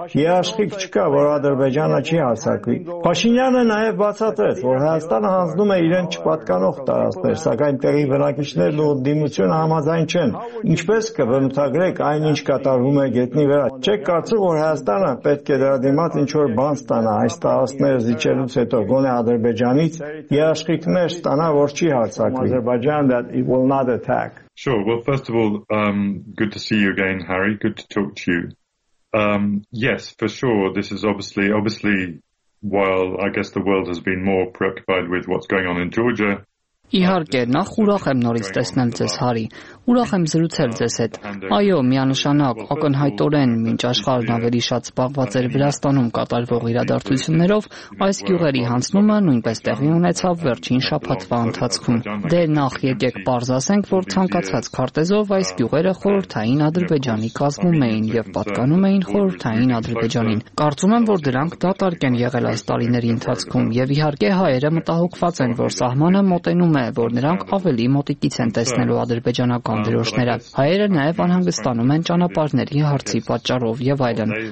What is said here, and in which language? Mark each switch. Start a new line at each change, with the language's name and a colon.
Armenian: երաշխիք չկա, որ Ադրբեջանը չի հարձակվի։ Փաշինյանը նաև բացատրեց, որ Հայաստանը հանձնում է իրեն չպատկանող տարածքներ, սակայն տեղի բնակիչներն ու դիմությունը համաձայն չեն։ Ինչպես կբնութագրեք այն, ինչ կատարվում է գետնի վրա։ Չեք կարծում, որ Հայաստանը պետք է դրադիմաց ինչ-որ բան ստանա այս տարածքները զիջելուց հետո, գոնե Ադրբեջանից երաշխիքներ ստանա, որ չի հարձակվի։
English: Will not attack. Sure. Well, first of all, good to see you again, Harry. Good to talk to you. Yes, for sure. This is obviously, while I guess the world has been more preoccupied with what's going on in Georgia.
Armenian: Իհարկե, նախ ուրախ եմ նորից տեսնել ձեզ, Հարի, ուրախ եմ զրուցել ձեզ հետ։ Այո, միանշանակ, ակնհայտորեն, մինչ աշխարհն ավելի շատ զբաղված էր Վրաստանում կատարվող իրադարձություններով, այս գյուղերի հանձնումը նույնպես տեղի ունեցավ վերջին շաբաթվա ընթացքում։ Դե նախ եկեք պարզասենք, որ ցանկացած քարտեզով այս գյուղերը խորհրդային Ադրբեջանի կազմում էին և պատկանում էին խորհրդային Ադրբեջանին։ Կարծում եմ, որ դրանք դատարկ են եղել այս տարիների ընթացքում, և իհարկե հայերը մտահոգված են, որ սահմանը մոտենում նոմե, որ նրանք ավելի մոտիկից են տեսնելու ադրբեջանական դրոշները։ Հայերը նաև անհանգստանում են ճանապարհների հարցի պատճառով եւ այլն։